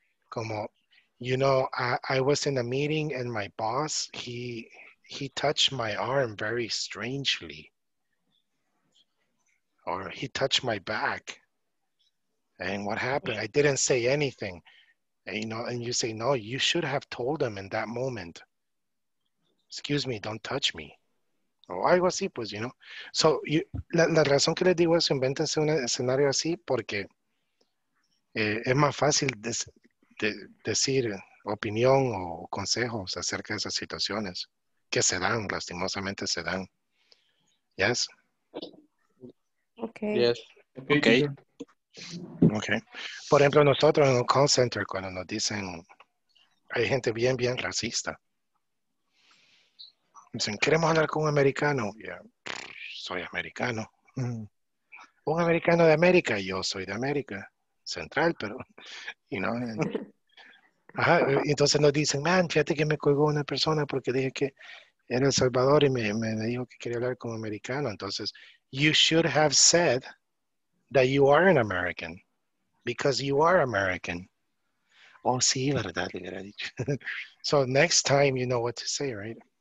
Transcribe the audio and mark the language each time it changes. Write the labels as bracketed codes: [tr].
[en] Como, you know, I was in a meeting and my boss, he touched my arm very strangely. Or he touched my back. And what happened? I didn't say anything. And, you know, and you say, no, you should have told him in that moment. Excuse me, don't touch me. O algo así, pues, you know. [es] So, la razón que les digo es, invéntense un escenario así porque es más fácil decir opinión o consejos acerca de esas situaciones que se dan, lastimosamente se dan. [en] Yes? Okay. Yes. Okay. Okay. [es] Por ejemplo, nosotros en un call center, cuando nos dicen, hay gente bien, bien racista. Dicen, queremos hablar con un americano. Yeah. Soy americano. Un americano de América. Yo soy de América Central, pero, you know. Ajá. Entonces nos dicen, man, fíjate que me colgó una persona porque dije que era El Salvador y me dijo que quería hablar con un americano. [en] Entonces, you should have said that you are an American because you are American. Oh, sí, verdad, le hubiera dicho. So next time you know what to say, right?